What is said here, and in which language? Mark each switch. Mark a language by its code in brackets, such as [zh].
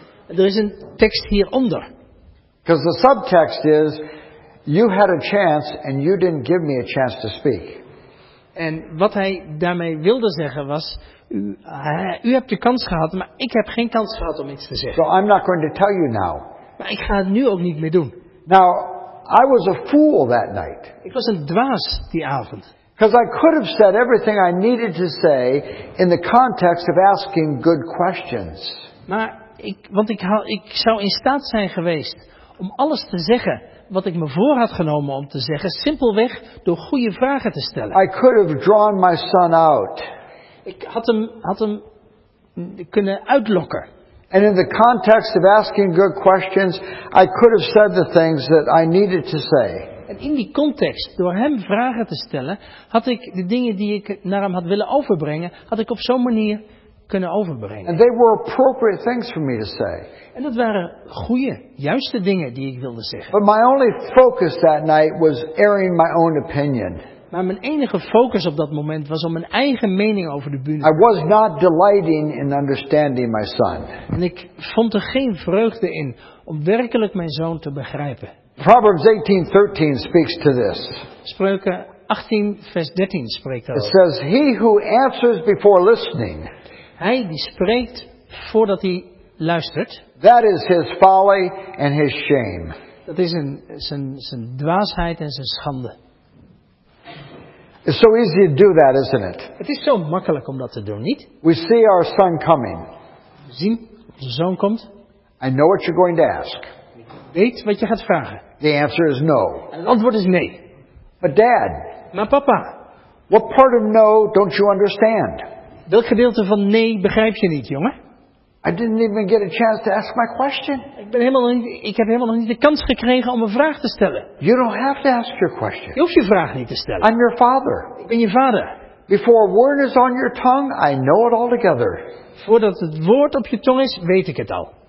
[nl] Er is een tekst hieronder. [en] Because the subtext is, you had a chance and you didn't give me a chance to speak. [nl] En wat hij daarmee wilde zeggen was, U hebt de kans gehad, maar ik heb geen kans gehad om iets te zeggen. [en] So I'm not going to tell you now. [nl] Maar ik ga het nu ook niet meer doen. [en] Now, I was a fool that night. [nl] Ik was een dwaas die avond. [en] Because I could have said everything I needed to say in the context of asking good questions. [nl] Maar ik zou in staat zijn geweest om alles te zeggen wat ik me voor had genomen om te zeggen, simpelweg door goede vragen te stellen. [en] I could have drawn my son out. [nl] Ik had hem kunnen uitlokken. [en] And in the context of asking good questions, I could have said the things that I needed to say. [nl] En in die context, door hem vragen te stellen, had ik de dingen die ik naar hem had willen overbrengen, had ik op zo'n manier kunnen overbrengen. [en] And they were appropriate things for me to say. [nl] En dat waren goede, juiste dingen die ik wilde zeggen. [en] But my only focus that night was airing my own opinion. [nl] Maar mijn enige focus op dat moment was om mijn eigen mening over de bühne. [en] I was not delighting in understanding my son. [nl] En ik vond er geen vreugde in om werkelijk mijn zoon te begrijpen. [en] Proverbs 18:13 speaks to this. [nl] Spreuken 18 vers 13 spreekt daarover. [en] It says, he who answers before listening. [nl] Hij die spreekt voordat hij luistert. [en] That is his folly and his shame. [nl] Dat is zijn dwaasheid en zijn schande. [en] It's so easy to do that, isn't it? [nl] Het is zo makkelijk om dat te doen, niet? [en] We see our son coming. [nl] We zien onze zoon komt. [en] I know what you're going to ask. [nl] Ik weet wat je gaat vragen. [en] The answer is no. [nl] En het antwoord is nee. [en] But Dad. [nl] Maar papa. [en] What part of no don't you understand? [nl] Welk gedeelte van nee begrijp je niet, jongen? [en] I didn't even get a chance to ask my question. [nl] Ik heb helemaal nog niet de kans gekregen om een vraag te stellen. [en] You don't have to ask your question. [nl] Je hoeft je vraag niet te stellen. [en] I'm your father. [nl] Ik ben je vader. [en] Before word is on your tongue, I know it altogether. [nl] Voordat het woord op je tong is, weet ik het al.